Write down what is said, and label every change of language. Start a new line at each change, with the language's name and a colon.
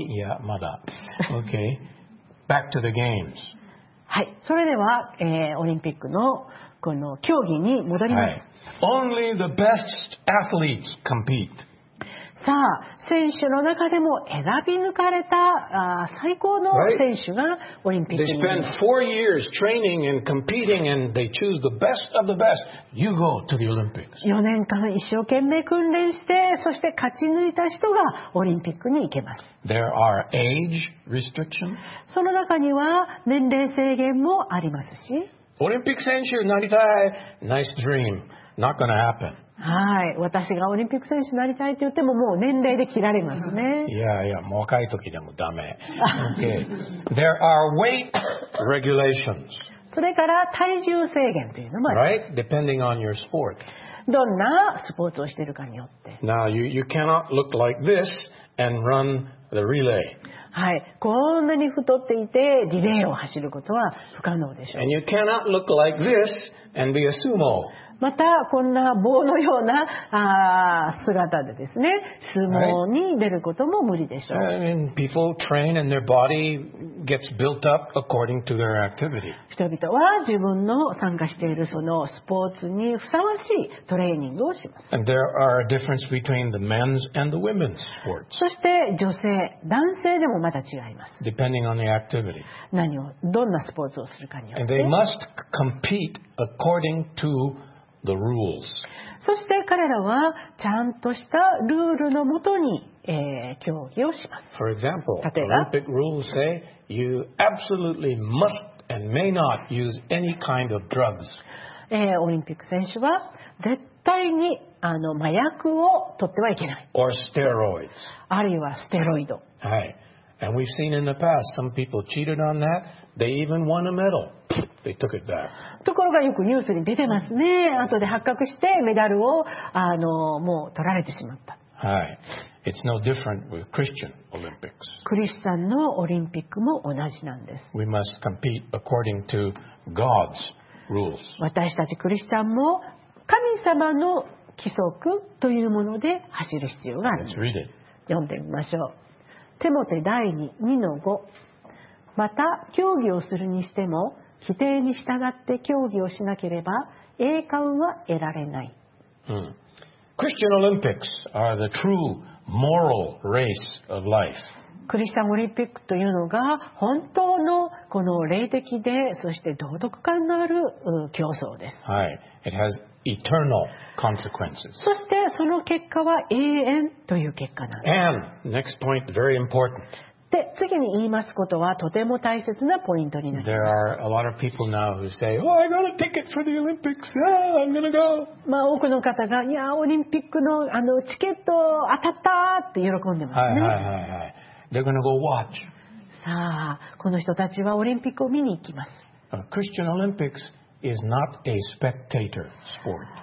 Japanese: いやまだ。
English: OK. Back to the games.
Japanese: はい、それでは、オリンピックのこの競技に戻ります、はい、
English: Only the best athletes compete.
Japanese: さあ選手の中でも選び抜かれた最高の選手がオリンピックに出場。
English: They spend 4 years training and competing and they choose the best of the best. You go to the Olympics.
Japanese: 4年間一生懸命訓練して、そして勝ち抜いた人がオリンピックに行けます。
English: There are age restrictions.
Japanese: その中には年齢制限もありますし。オリンピック選手になりたい。
English: Nice dream. Not gonna happen.
Japanese: はい、私がオリンピック選手になりたいと言ってももう年齢で切られますね。いやいや、もう若い時でもダメ。
English: Okay. There are weight regulations.
Japanese: それから体重制限というのもあります。
English: Right? Depending on your sport.
Japanese: どんなスポーツをしているかによって。
English: Now you cannot look like this and run the relay.
Japanese: はい、こんなに太っていてリレーを走ることは不可能でしょう。
English: And you cannot look like this and be a sumo.
Japanese: またこんな棒のような姿でですね、相撲に出ることも無理でしょう。
English: Right. And people train and their body gets built up according to their activity.
Japanese: 人々は自分の参加しているそのスポーツにふさわしいトレーニングをします。
English: And there are a difference between the men's and the women's sports.
Japanese: そして女性、男性でもまた違います。
English: Depending on the activity.
Japanese: 何を、どんなスポーツをするかによって。
English: And they must compete according toThe rules.
Japanese: そして彼らはちゃんとしたルールのもとに、競技をします。
English: For example, Olympic rules say you absolutely must and may not use any kind of drugs.
Japanese: オリンピック選手は絶対に麻薬を取ってはいけない。
English: Or steroids.
Japanese: あるいはステロイド。はい。
English: And we've seen in the past some people cheated on that. They even won a medal. They took it back.
Japanese: ところがよくニュースに出てますね。後で発覚してメダルをもう取られてしまった。
English: はい。It's no different with Christian Olympics.
Japanese: クリスチャンのオリンピックも同じなんです。
English: We must compete according to God's rules.
Japanese: 私たちクリスチャンも神様の規則というもので走る必要があるんです。
English: Let's read it.
Japanese: 読んでみましょう。テモテ第2:5。また競技をするにしても規定に従って競技をしなければ栄冠は得られない。
English: Christian Olympics are the true moral race of life.
Japanese: クリスチャンオリンピックというのが本当のこの霊的で、そして道徳感のある競争です。
English: はい。It has eternal consequences.
Japanese: そしてその結果は永遠という結果なんです。
English: And next point, very important.
Japanese: で次に言いますことはとても大切なポイントになります。
English: There are a lot of people now who say, Oh, I got a ticket for the Olympics. Yeah, I'm gonna go.
Japanese: まあ多くの方がいやオリンピックのチケット当たったって喜んでますね。
English: はいはいはいはい。They're gonna go watch.
Japanese: さあこの人たちはオリンピックを見に行きます。
English: Christian Olympics is not a spectator sport.